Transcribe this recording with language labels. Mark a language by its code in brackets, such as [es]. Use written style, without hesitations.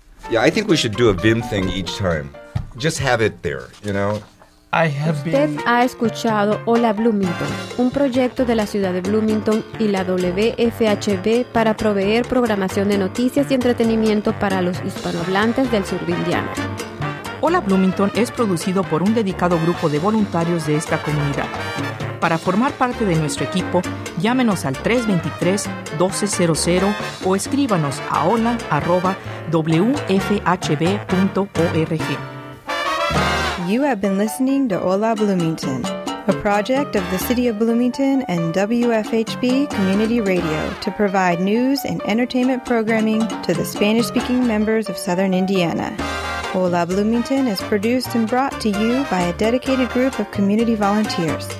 [en] Yeah, I think we should do a VIM thing each time. Just have it there, you know. [es] Usted ha escuchado Hola Bloomington, un proyecto de la ciudad de Bloomington y la WFHB para proveer programación de noticias y entretenimiento para los hispanohablantes del sur de Indiana. Hola Bloomington es producido por un dedicado grupo de voluntarios de esta comunidad. Para formar parte de nuestro equipo, llámenos al 323-1200 o escríbanos a hola@wfhb.org. [en] You have been listening to Hola Bloomington, a project of the City of Bloomington and WFHB Community Radio to provide news and entertainment programming to the Spanish-speaking members of Southern Indiana. Hola Bloomington is produced and brought to you by a dedicated group of community volunteers.